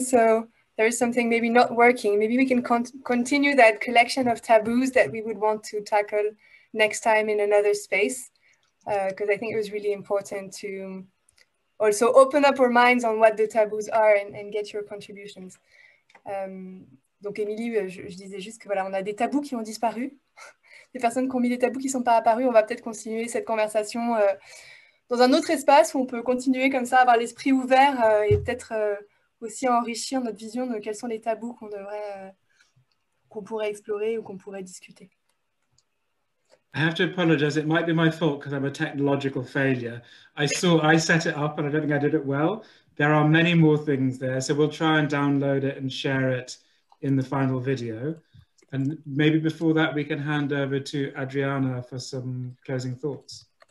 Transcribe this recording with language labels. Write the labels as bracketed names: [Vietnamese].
[English] So there is something maybe not working. Maybe we can continue that collection of taboos that we would want to tackle next time in another space, because I think it was really important to also open up our minds on what the taboos are and get your contributions. [French] Donc Émilie, je disais juste que voilà, on a des tabous qui ont disparu. Des personnes qui ont mis des tabous qui ne sont pas apparus, on va peut-être continuer cette conversation dans un autre espace où on peut continuer comme ça, avoir l'esprit ouvert et peut-être aussi enrichir notre vision de quels sont les tabous qu'on devrait, qu'on pourrait explorer ou qu'on pourrait discuter. [English] I have to apologize, it might be my fault because I'm a technological failure. I set it up and I don't think I did it well. There are many more things there, so we'll try and download it and share it in the final video. And maybe before that, we can hand over to Adriana for some closing thoughts.